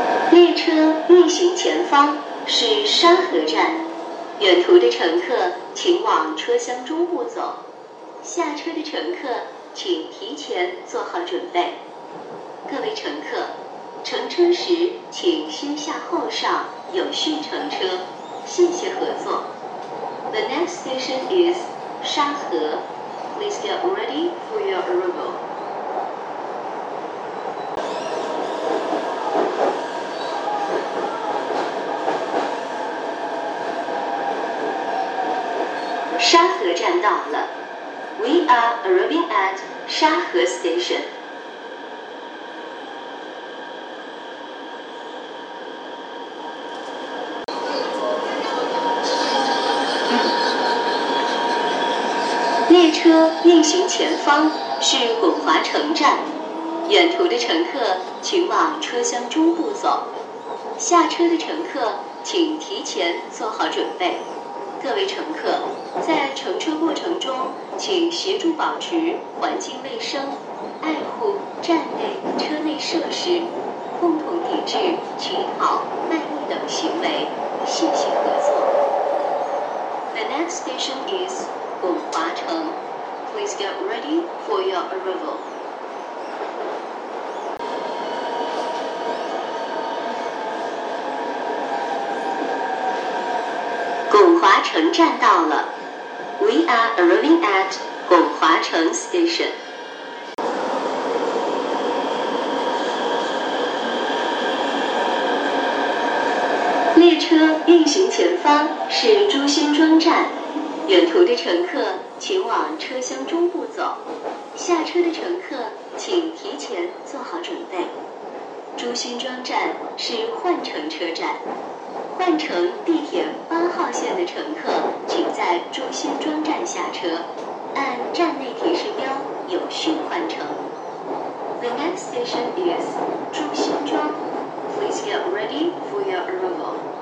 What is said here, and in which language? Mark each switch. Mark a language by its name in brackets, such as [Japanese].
[Chinese] 列车运行前方是沙河站，远途的乘客请往车厢中部走，下车的乘客请提前做好准备。各位乘客，乘车时请先下后上，有序乘车，谢谢合作。 [English] The next station is 沙河， Please get ready for your arrival. 沙河站到了。 We are arriving at 沙河 station. [Chinese] 运行前方是滚滑城站，远途的乘客请往车厢中部走，下车的乘客请提前做好准备。各位乘客，在乘车过程中请协助保持环境卫生，爱护站内车内设施，共同抵制乞讨卖艺等行为，谢谢合作。 [English] The next station is 滚滑城，Please get ready for your arrival. [Chinese] 拱华城站到了。 [English] We are arriving at 拱华城 station. [Chinese] 列车运行前方是朱辛庄站，远途的乘客请往车厢中部走，下车的乘客请提前做好准备。朱辛庄站是换乘车站，换乘地铁八号线的乘客请在朱辛庄站下车，按站内提示标有序换乘。 The next station is 朱辛庄， Please get ready for your arrival.